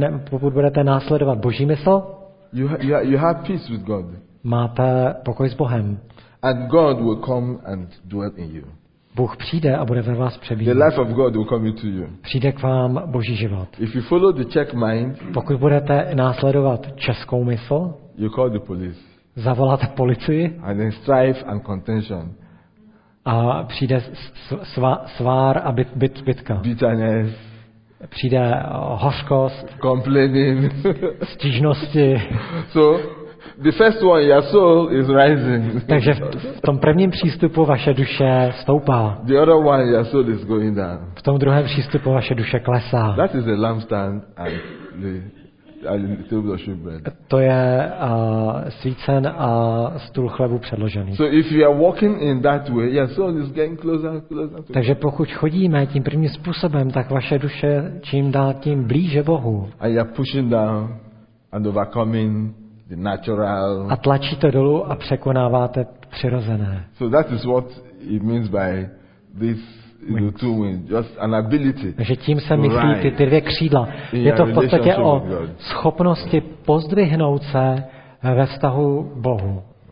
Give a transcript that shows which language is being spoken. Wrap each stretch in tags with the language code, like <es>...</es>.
<cs>pokud budete následovat Boží mysl,</cs> <en>you have peace with God.</en> <cs>Máte pokoj s Bohem.</cs> <en>And God will come and dwell in you.</en> <cs>Bůh přijde a bude ve vás přebývat.</cs> <en>The life of God will come into you.</en> <cs>Přijde k vám Boží život.</cs> <en>If you follow the Czech mind,</en> <cs>pokud budete následovat českou mysl,</cs> <en>you call the police.</en> <cs>Zavoláte policii.</cs> <en>And then strife and contention.</en> <cs>A přijde svár a bitka.</cs> <en>Bitterness.</en> <cs>Přijde hořkost.</cs> <en>Complaining.</en> <cs>Stížnosti.</cs> <en>So the first one, your soul is rising.</en> <cs>Takže v tom prvním přístupu vaše duše stoupá.</cs> <en>The other one, your soul is going down.</en> <cs>V tom druhém přístupu vaše duše klesá.</cs> <en>That is the lampstand and the table of shewbread.</en> <cs>To je svícen a stůl chlebu předložený.</cs> <en>So if you are walking in that way, your soul is getting closer.</en> <cs>Takže pokud chodíme tím prvním způsobem, tak vaše duše čím dál tím blíže Bohu.</cs> <en>And you're pushing down and overcoming. Natural.</en> <cs>A tlačíte dolů a překonáváte přirozené.</cs> <en>So that is what it means by this two wings, just an ability.</en> <cs>Takže tím se myslí ty dvě křídla. Je to v podstatě o schopnosti pozdvihnout se ve vztahu k Bohu.</cs>